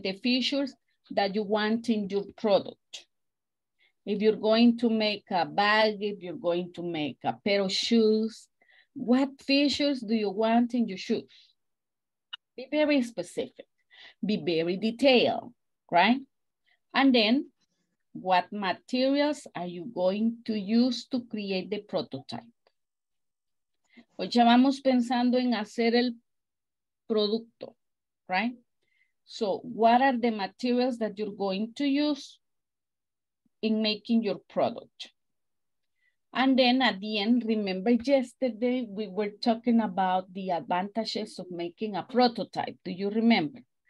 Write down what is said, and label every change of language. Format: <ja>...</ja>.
<en>The features that you want in your product. If you're going to make a bag, if you're going to make a pair of shoes, what features do you want in your shoes? Be very specific, be very detailed, right? And then, what materials are you going to use to create the prototype?</en> <es>Hoy ya vamos pensando en hacer el producto, right?</es> <en>So, what are the materials that you're going to use in making your product? And then, at the end, remember yesterday we were talking about the advantages of making a prototype. Do you remember?</en>